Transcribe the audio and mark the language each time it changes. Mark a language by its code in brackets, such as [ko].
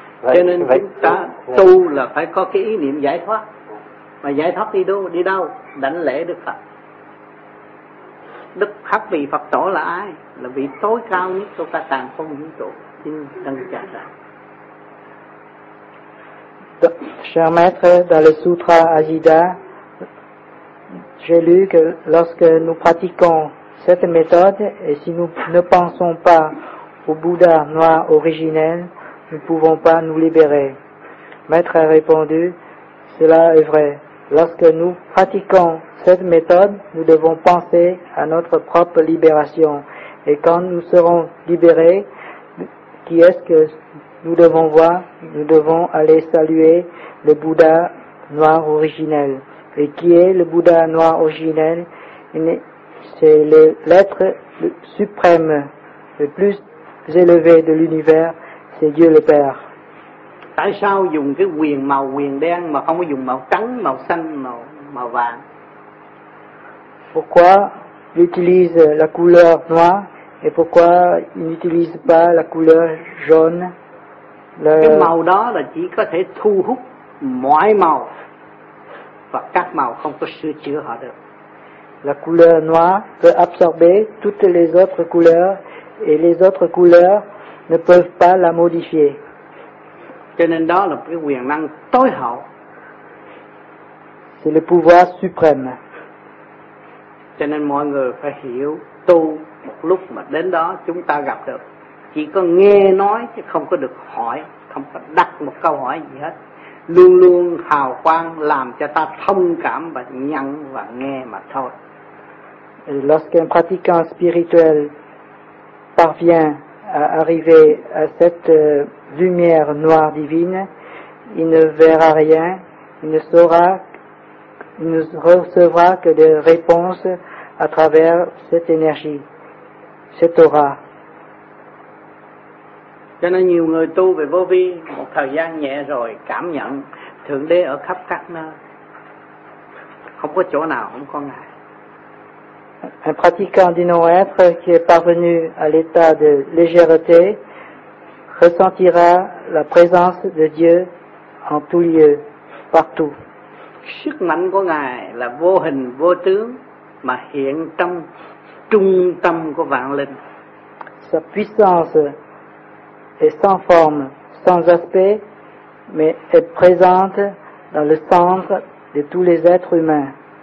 [vi] Vậy, cho nên vậy, chúng ta tu là phải có cái ý niệm giải thoát. Mà giải thoát đi đâu? Đảnh lễ đức Phật. Đức khắc vị Phật Tổ là ai? Là vị tối cao nhất của cả tàng không vũ trụ, chính tân trả ra. [fr] Cher maître, dans le Sutra Ajida, j'ai lu que lorsque nous pratiquons cette méthode et si nous ne pensons pas au Bouddha noir originel, nous ne pouvons pas nous libérer. Maître a répondu, cela est vrai. Lorsque nous pratiquons cette méthode, nous devons penser à notre propre libération. Et quand nous serons libérés, qui est-ce que nous devons voir? Nous devons aller saluer le Bouddha noir originel. Et qui est le Bouddha noir originel? C'est l'être suprême, le plus élevé de l'univers, c'est Dieu le Père. [vi] Tại sao dùng cái quyền màu quyền đen mà không có dùng màu trắng, màu xanh, màu vàng? [fr] Pourquoi il utilise la couleur noire et pourquoi il n'utilise pas la couleur jaune? [vi] Cái màu đó là chỉ có thể thu hút mọi màu và các màu không có sửa chữa họ được. [fr] La couleur noire peut absorber toutes les autres couleurs et les autres couleurs ne peuvent pas la modifier. [vi] Cho nên đó là cái quyền năng tối hậu. [fr] C'est le pouvoir suprême. [vi] Cho nên mọi người phải hiểu tu một lúc mà đến đó chúng ta gặp được. Chỉ có nghe nói chứ không có được hỏi, không có đặt một câu hỏi gì hết. Luôn luôn hào quang làm cho ta thông cảm và nhận và nghe mà thôi. [fr] Et lorsqu'un pratiquant spirituel parvient à arriver à cette lumière noire divine, il ne verra rien, il ne recevra que des réponses à travers cette énergie, cette aura. [vi] Cho nên nhiều người tu về vô vi một thời gian nhẹ rồi cảm nhận thượng đế ở khắp các nơi, không có chỗ nào không có ngài. [fr] Un pratiquant du non-être qui est parvenu à l'état de légèreté ressentira la présence de Dieu en tout lieu, partout. [vi] Sức mạnh của ngài là vô hình vô tướng mà hiện trong trung tâm của vạn linh. [fr] Sa puissance est sans forme, sans aspect, mais est présente dans le centre de tous les êtres humains.